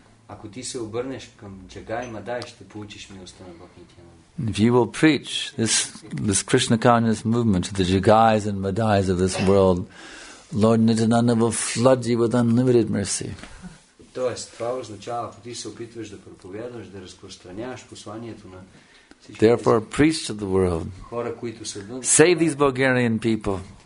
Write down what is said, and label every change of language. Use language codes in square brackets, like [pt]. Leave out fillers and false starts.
[bg] Ако ти се обърнеш към Джагай Мадай, ще получиш милостта на Бог Нитянанда. [en] If you will preach this Krishna consciousness movement to the Jagais and Madais of this world, Lord Nityananda will flood you with unlimited mercy. [bg] Тоест, това означава, ако ти се опитваш да проповядваш, да разпространяваш посланието на [en] Therefore, preach to the world. Save these Bulgarian people.